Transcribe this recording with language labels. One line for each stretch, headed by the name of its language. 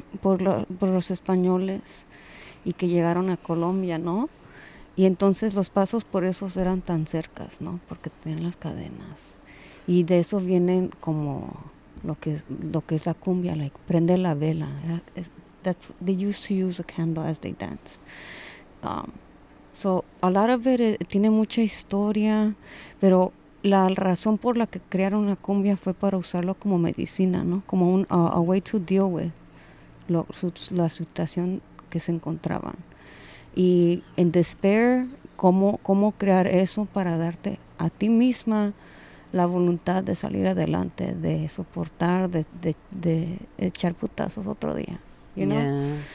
Spanish: Por los españoles y que llegaron a Colombia, ¿no? Y entonces los pasos por esos eran tan cercas, ¿no? Porque tenían las cadenas. Y de eso vienen como lo que es la cumbia, like prende la vela.
English: That's, they used to use a candle as they danced. So a lot of it
Spanish: tiene mucha historia, pero la razón por la que crearon la cumbia fue para usarlo como medicina, ¿no? Como un
English: a way to deal with
Spanish: la situación que se encontraban. Y en despair, ¿cómo crear eso para darte a ti misma la voluntad de salir adelante, de soportar, de echar putazos otro día,
English: you know?